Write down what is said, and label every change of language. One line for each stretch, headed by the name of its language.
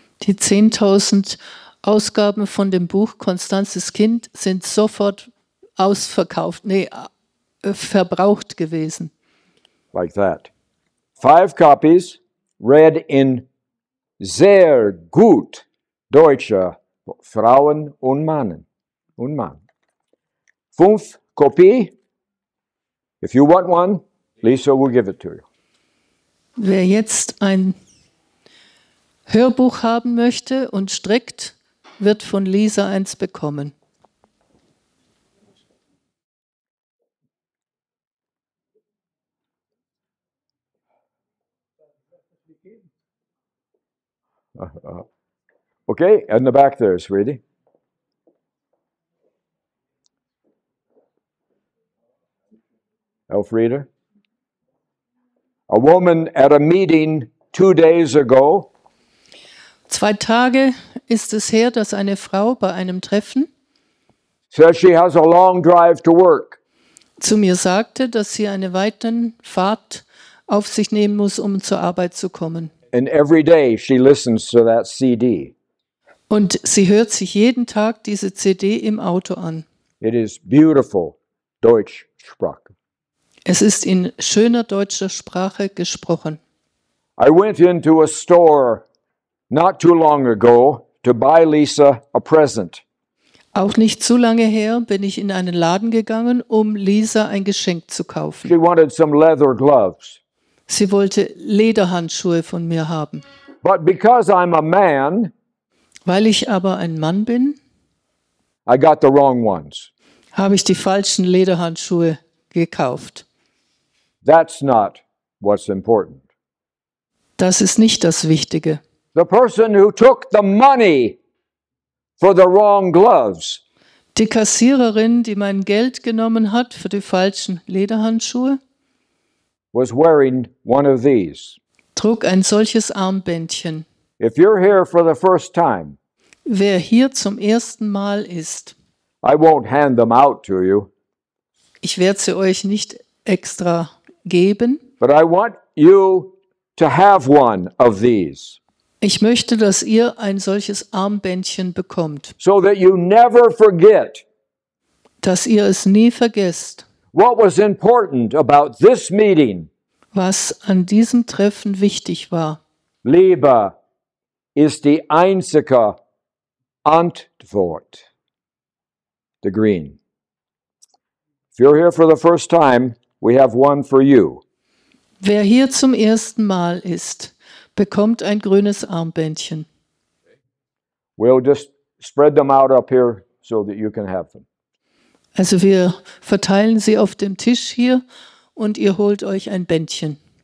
German: Die 10.000 Ausgaben von dem Buch Constanzes Kind sind sofort ausverkauft, verbraucht gewesen.
English: Like that. 5 copies read in
German: sehr gut deutscher Frauen und Männern. Und Mann. 5 Kopie.
English: If you want one, Lisa will give it to you.
German: Wer jetzt ein Hörbuch haben möchte und streckt, wird von Lisa eins bekommen.
English: Okay, in the back there, sweetie. Elfriede. A woman at a meeting 2 days ago.
German: 2 Tage ist es her, dass eine Frau bei einem Treffen
English: says she has a long drive to work.
German: Zu mir sagte, dass sie eine weite Fahrt auf sich nehmen muss, um zur Arbeit zu kommen.
English: And every day she listens to that CD.
German: Und sie hört sich jeden Tag diese CD im Auto an.
English: It is beautiful Deutschsprache.
German: Es ist in schöner deutscher Sprache gesprochen.
English: I went into a store not too long ago to buy Lisa a present.
German: Auch nicht zu lange her bin ich in einen Laden gegangen, um Lisa ein Geschenk zu kaufen.
English: She wanted some leather gloves.
German: Sie wollte Lederhandschuhe von mir haben.
English: But because I'm a man,
German: weil ich aber ein Mann bin,
English: I got the wrong ones.
German: Habe ich die falschen Lederhandschuhe gekauft.
English: That's not what's important.
German: Das ist nicht das Wichtige.
English: The person who took the money for the wrong gloves.
German: Die Kassiererin, die mein Geld genommen hat für die falschen Lederhandschuhe,
English: was wearing one of these.
German: Trug ein solches Armbändchen.
English: If you're here for the first time,
German: wer hier zum ersten Mal ist,
English: I won't hand them out to you.
German: Ich werde sie euch nicht extra geben.
English: But I want you to have one of these.
German: Ich möchte, dass ihr ein solches Armbändchen bekommt.
English: So that you never forget.
German: Dass ihr es nie vergesst.
English: What was important about this meeting?
German: Was an diesem Treffen wichtig war. Liebe ist die einzige Antwort.
English: The green. If you're here for the first time, we have one for you.
German: Wer hier zum ersten Mal ist, bekommt ein grünes Armbändchen.
English: We'll just spread them out up here so that you can have them.
German: Also wir verteilen sie auf dem Tisch hier und ihr holt euch ein Bändchen.